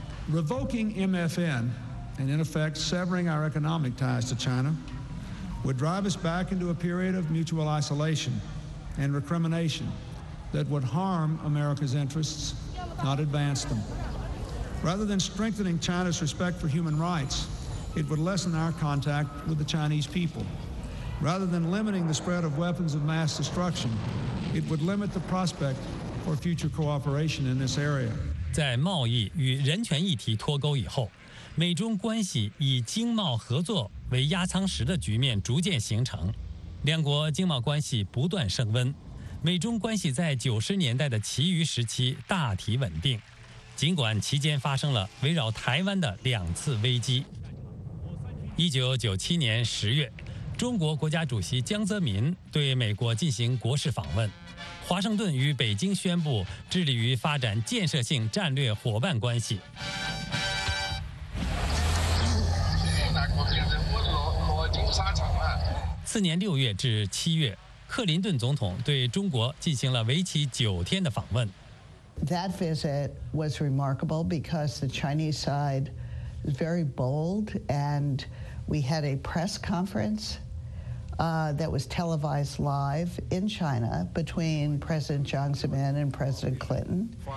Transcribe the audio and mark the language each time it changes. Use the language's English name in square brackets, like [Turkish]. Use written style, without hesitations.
[English] Revoking MFN, and in effect severing our economic ties to China, would drive us back into a period of mutual isolation and recrimination that would harm America's interests, not advance them. Rather than strengthening China's respect for human rights, it would lessen our contact with the Chinese people. Rather than limiting the spread of weapons of mass destruction, it would limit the prospect for future cooperation in this area. [Chinese] 在贸易与人权议题脱钩以后，美中关系以经贸合作为压舱石的局面逐渐形成，两国经贸关系不断升温，美中关系在90年代的其余时期大体稳定，尽管期间发生了围绕台湾的两次危机。 1997年10月，中国国家主席江泽民对美国进行国事访问，华盛顿与北京宣布致力于发展建设性战略伙伴关系。次年6月至7月，克林顿总统对中国进行了为期9天的访问。 [English] That visit was remarkable because the Chinese side is very bold, and we had a press conference. That was televised live in China between President Jiang Zemin and President Clinton.